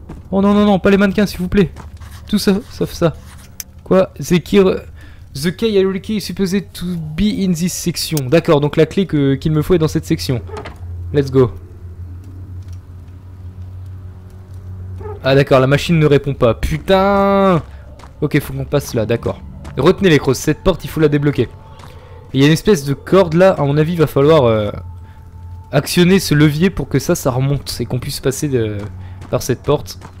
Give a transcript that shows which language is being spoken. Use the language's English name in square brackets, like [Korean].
[French] Oh non non non, pas les mannequins s'il vous plaît. Tout ça sauf ça. Quoi? [English] The key is supposed to be in this section. [French] D'accord, donc la clé que qu'il me faut est dans cette section. [English] Let's go. [French] Ah d'accord, la machine ne répond pas. Putain! OK, faut qu'on passe là, d'accord. Retenez les crosses, cette porte, il faut la débloquer. Il y a une espèce de corde là, à mon avis, il va falloir actionner ce levier pour que ça remonte et qu'on puisse passer de, par cette porte.